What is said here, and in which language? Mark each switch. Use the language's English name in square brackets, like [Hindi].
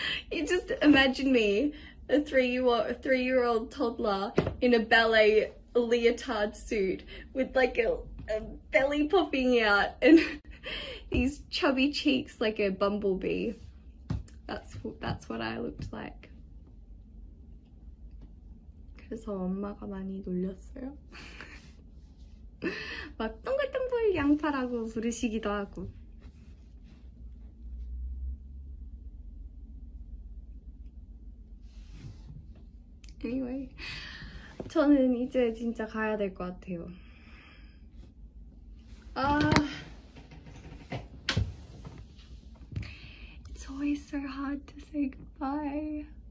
[English] You just imagine me, a three-year-old toddler in a ballet leotard suit with like a belly popping out and these chubby cheeks like a bumblebee. That's what I looked like. [Korean] 그래서 엄마가 많이 놀렸어요. 막 똥글똥글 양파라고 부르시기도 하고. 저는 이제 진짜 가야 될 것 같아요. [English] 아, It's always so hard to say goodbye.